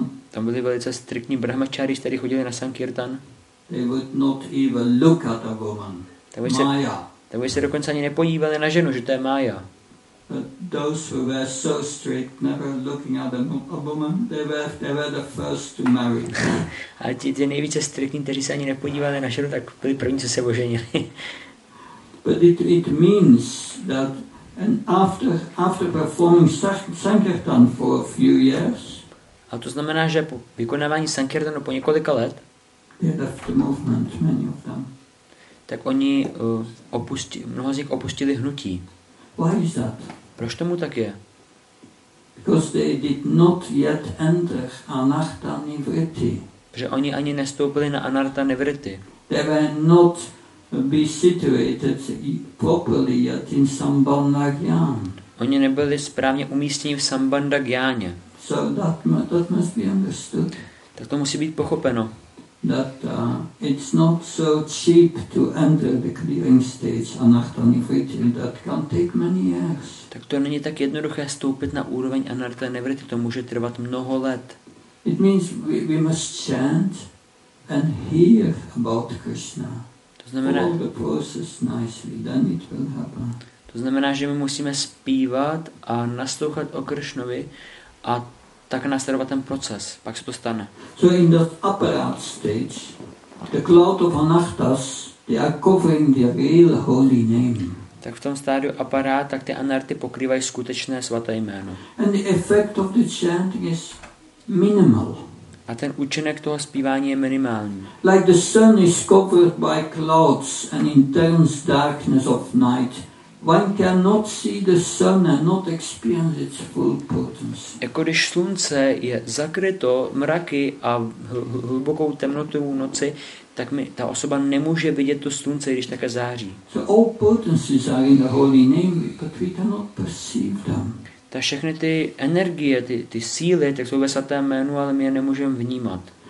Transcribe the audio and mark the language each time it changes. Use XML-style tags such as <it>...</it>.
<cs>Tam byli velice striktní brahmačáři, kteří chodili na sankirtan.</cs> <en>They would not even look at a woman.</en> <cs>Tak by se dokonce ani nepodívali na ženu, že to je Maya.</cs> <en>But those who were so strict, never looking at a woman, they were the first to marry.</en> <cs>A ti nejvíce striktní, kteří se ani nepodívali na ženu, tak byli první, co se oženili.</cs> <en>But it means that and after performing sankirtan for a few years.</en> <cs>A to znamená, že po vykonávání sankirtanu po několika let.</cs> <en>They left the movement, many of them.</en> <cs>Tak oni mnoho z nich opustili hnutí.</cs> <en>Why is that?</en> <cs>Proč tomu tak je?</cs> <en>Because they did not yet enter anatta nivritti.</en> <cs>Protože oni ani nestoupili na anatta nivritti.</cs> <en>They were not be situated properly yet in sambandha gyan.</en> <cs>Oni nebyli správně umístěni v sambandha gyáně.</cs> <en>So that must be understood.</en> <cs>Tak to musí být pochopeno.</cs> <en>That it's not so cheap to enter the clearing stage anatta nivritti. That can take many years.</en> <cs>Tak to není tak jednoduché stoupit na úroveň anatta nivritti. To může trvat mnoho let.</cs> <en>It means we must chant and hear about Krishna.</en> <cs>To znamená,</cs> <en>all the process nicely, then it will happen.</en> <cs>To znamená, že my musíme zpívat a naslouchat o Krishnovi a tak následovat ten proces, pak se to stane.</cs> <en>So in the apparat stage, the cloud of anattas, they are covering the real holy name.</en> <cs>Tak v tom stádiu aparát, tak ty anarty pokrývají skutečné svaté jméno.</cs> <en>And the effect of the chanting is minimal.</en> <cs>A ten účinek toho zpívání je minimální.</cs> <en>Like the sun is covered by clouds and intense darkness of night. One cannot see the sun and not experience its full potency.</en> <cs>Jako když slunce je zakryto mraky a hlubokou temnotou noci, tak mi ta osoba nemůže vidět to slunce, když také září.</cs> <en>So all potencies are in the holy name, but we cannot perceive them.</en> <cs>Ta všechny ty energie, ty síly, tak jsou ve svatém jménu, ale my je nemůžeme vnímat.</cs>